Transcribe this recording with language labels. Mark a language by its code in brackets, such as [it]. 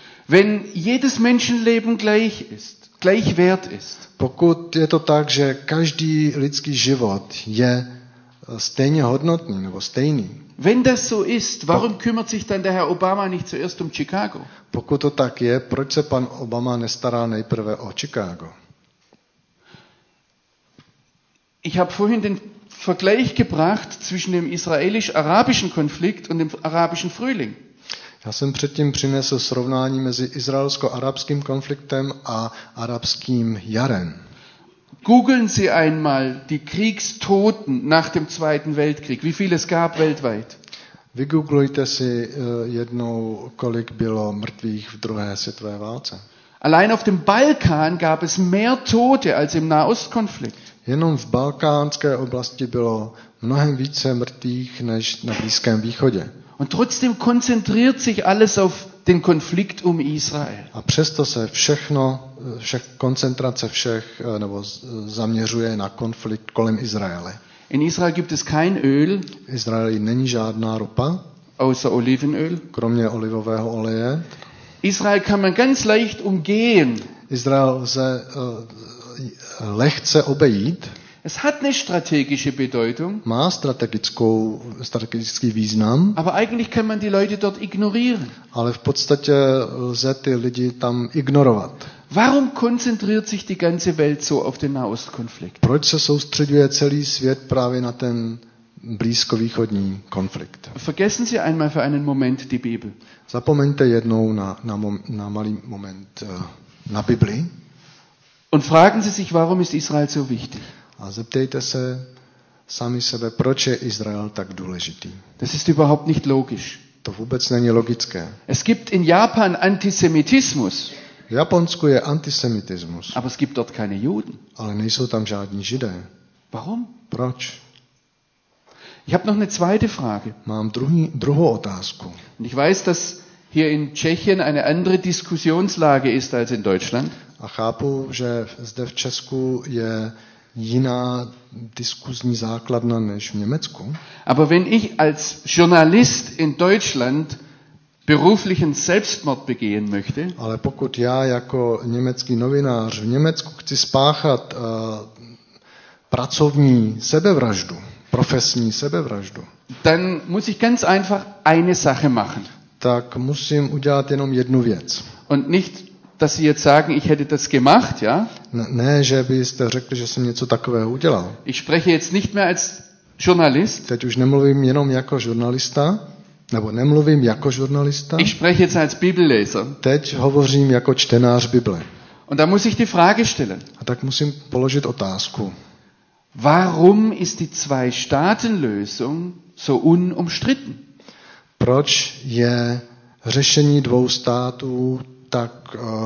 [de] Wenn jedes Menschenleben gleich ist, gleich wert ist. [cs] Pokud je to tak, že každý lidský život je stejně hodnotný nebo stejný. [de] Wenn das so ist, warum kümmert sich dann der Herr Obama nicht zuerst um Chicago? [cs] Pokud to tak je, proč se pan Obama nestará nejprve o Chicago? [de] Ich habe vorhin den Vergleich gebracht zwischen dem israelisch-arabischen Konflikt und dem arabischen Frühling. [cs] Já jsem předtím přinesl srovnání mezi izraelsko-arabským konfliktem a arabským jarem. [de] Googeln Sie einmal die Kriegstoten nach dem Zweiten Weltkrieg. Wie viele es gab weltweit? [cs] Vygooglujte si jednou, kolik bylo mrtvých v druhé světové válce. [de] Allein auf dem Balkan gab es mehr Tote als im Nahostkonflikt. [cs] Jenom v balkánské oblasti bylo mnohem více mrtvých než na Blízkém východě. [de] Und trotzdem konzentriert sich alles auf den Konflikt um Israel. [cs] A přesto se všechno, koncentrace všech nebo zaměřuje na konflikt kolem Izraele. [de] In Israel gibt es kein Öl. [cs] V Izraeli není žádná ropa. [de] Außer Olivenöl. [cs] Kromě olivového oleje. [de] Israel kann man ganz leicht umgehen. [cs] Izrael lze lehce obejít. [de] Es hat eine strategische Bedeutung. [cs] Má strategický význam. [de] Aber eigentlich kann man die Leute dort ignorieren. [cs] Ale v podstatě lze ty lidi tam ignorovat. [de] Warum konzentriert sich die ganze Welt so auf den Nahostkonflikt? [cs] Proč se soustředuje celý svět právě na ten blízkovýchodní konflikt? [de] Vergessen Sie einmal für einen Moment die Bibel. [cs] Zapomeňte jednou na malý moment na Bibli. [de] Und fragen Sie sich, warum ist Israel so wichtig? [cs] A zeptejte se sami sebe, proč je Izrael tak důležitý. [de] Das ist überhaupt nicht logisch. [cs] To vůbec není logické. [de] Es gibt in Japan Antisemitismus. [cs] V Japonsku je antisemitismus. [de] Aber es gibt dort keine Juden. [cs] Ale nejsou tam žádní Židé. [de] Warum? [cs] Proč? [de] Ich habe noch eine zweite Frage. [cs] Mám druhou otázku. [de] Und ich weiß, dass hier in Tschechien eine andere Diskussionslage ist als in Deutschland. [cs] A chápu, že zde v Česku je jiná diskuzní základna než v Německu. [de] Aber wenn ich als Journalist in Deutschland beruflichen Selbstmord begehen möchte. [cs] Ale pokud já jako německý novinář v Německu chci spáchat pracovní sebevraždu, profesní sebevraždu. [de] Dann muss ich ganz einfach eine Sache machen. [cs] Tak musím udělat jenom jednu věc. [de] Und nicht, dass Sie jetzt sagen, ich hätte das gemacht, ja? [cs] Ne, že byste řekli, že jsem něco takového udělal. [de] Ich spreche jetzt nicht mehr als Journalist. [cs] Teď už nemluvím jenom jako žurnalista. Nebo nemluvím jako žurnalista. [de] Ich spreche jetzt als Bibelleser. [cs] Teď hovořím jako čtenář Bible. [de] Und da muss ich die Frage stellen. [cs] A tak musím položit otázku. [de] Warum ist die Zwei-Staaten-Lösung so unumstritten? [cs] Proč je řešení dvou států tak